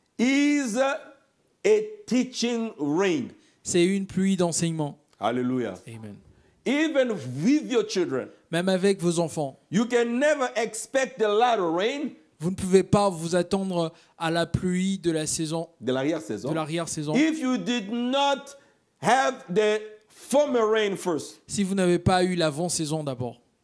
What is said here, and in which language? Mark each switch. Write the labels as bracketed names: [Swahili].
[English] Is a teaching rain. [French] C'est une pluie d'enseignement. Alléluia. Amen. [English] Even with your children. [French] Même avec vos enfants. [English] You can never expect the latter rain. [French] Vous ne pouvez pas vous attendre à la pluie de la saison. De l'arrière-saison. De l'arrière-saison. [English] If you did not have the former rain first. [French] Si vous n'avez pas eu l'avant-saison d'abord.